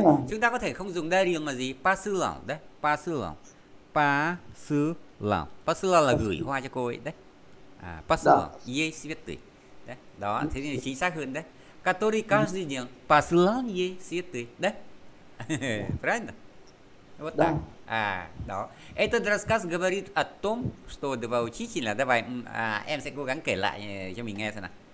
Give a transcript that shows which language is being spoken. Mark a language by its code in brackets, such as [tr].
[vi] Chúng ta có thể không dùng дарил mà gì? [ru] Посылал, да? Посылал. Посылал. [vi] Посылал là gửi hoa cho cô ấy, да? Посылал. [ru] Ей цветы. [vi] Đó, thế thì chính xác hơn đấy. [ru] который каждый день послал ей цветы, да? Правильно? Вот так. А, да. Этот рассказ говорит о том, что два учителя. [vi] Давай, em sẽ cố gắng kể lại cho mình nghe xem nào.